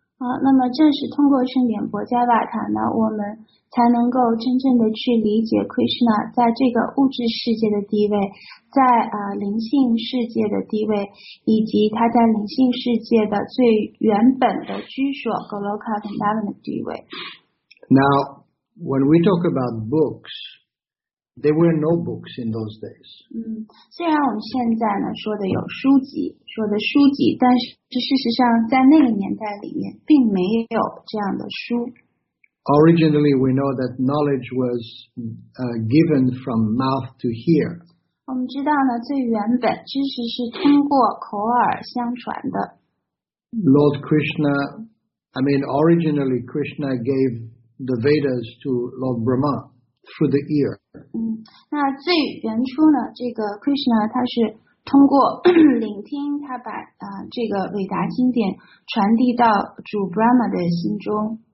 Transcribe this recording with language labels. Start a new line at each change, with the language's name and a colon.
Chinese: 那么正是通过圣典博迦瓦坛呢，我们才能够真正的去理解 Krishna 在这个物质世界的地位，在灵性世界的地位，以及他在灵性世界的最原本的居所 Goloka Vrindavan 的地位。
English: Now,When we talk about books, there were no books in those days.
Chinese: 虽然我们现在呢说的有书籍，说的书籍，但是事实上在那个年代里面并没有这样的书。
English: Originally, we know that knowledge was given from mouth to ear.
Chinese: 我们知道呢，最原本知识是通过口耳相传的。
English: Lord Krishna, I mean, originally Krishna gave. The Vedas to Lord Brahma through the ear.
Chinese: 那最原初呢，这个 Krishna 他是通过聆听，他把这个伟达经典传递到主 Brahma 的心中。